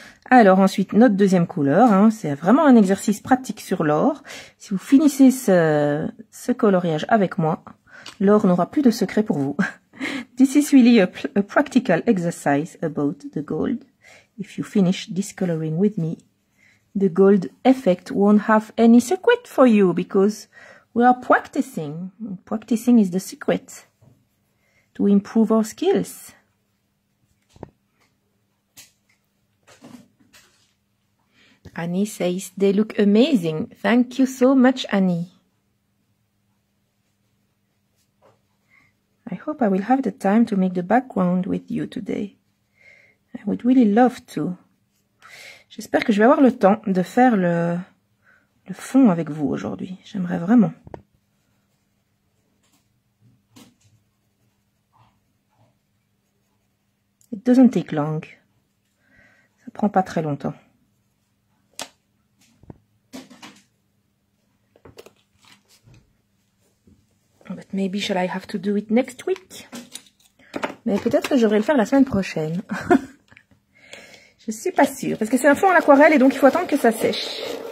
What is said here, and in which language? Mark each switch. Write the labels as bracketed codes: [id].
[fr] Alors ensuite, notre deuxième couleur, hein, c'est vraiment un exercice pratique sur l'or. Si vous finissez ce coloriage avec moi, l'or n'aura plus de secret pour vous. [en] This is really a practical exercise about the gold. If you finish this coloring with me, the gold effect won't have any secret for you because we are practicing. Practicing is the secret to improve our skills. Annie says, they look amazing. Thank you so much, Annie. I hope I will have the time to make the background with you today. I would really love to. [fr] J'espère que je vais avoir le temps de faire le fond avec vous aujourd'hui. J'aimerais vraiment. [en] It doesn't take long. [fr] Ça prend pas très longtemps. [en] But maybe shall I have to do it next week? [fr] Mais peut-être que j'aurai le faire la semaine prochaine. Je suis pas sûre. Parce que c'est un fond à l'aquarelle et donc il faut attendre que ça sèche.